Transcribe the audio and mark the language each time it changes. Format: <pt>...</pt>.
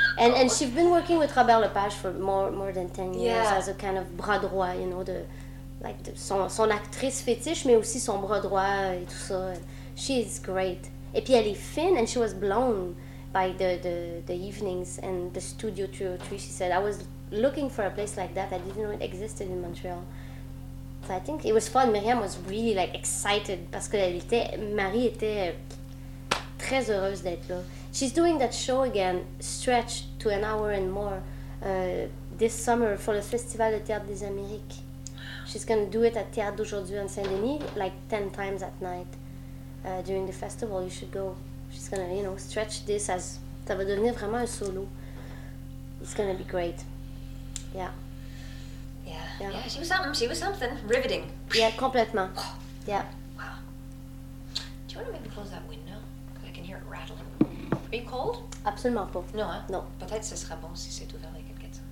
<en>And she's been working with Robert Lepage for more than 10 years as a kind of bras droit, you know,</en> <fr>son actrice fétiche, mais aussi son bras droit et tout ça.</fr> <en>She is great.</en> <fr>Et puis elle est fine,</fr> <en>and she was blown by the evenings and the studio 303. She said, I was looking for a place like that. I didn't know it existed in Montreal. So I think it was fun. Myriam was really like excited</en> <fr>parce que Marie était très heureuse d'être là.</fr> <en>She's doing that show again, stretch to an hour and more, this summer for the Festival de Théâtre des Amériques. She's going to do it at Théâtre d'Aujourd'hui en Saint-Denis like 10 times at night. During the festival, you should go. She's gonna, you know, stretch this as...</en> <fr>Ça va devenir vraiment un solo.</fr> <en>It's gonna be great. Yeah. Yeah. Yeah, yeah, she was something. She was something. Riveting. Yeah, complètement. Yeah. Wow. Do you want to maybe close that window? Because I can hear it rattling. Are you cold?</en> <fr>Absolument pas.</fr> <en>No, hein? No.</en> <fr>Peut-être ce sera bon si c'est ouvert,</fr> <en>I could get some.</en>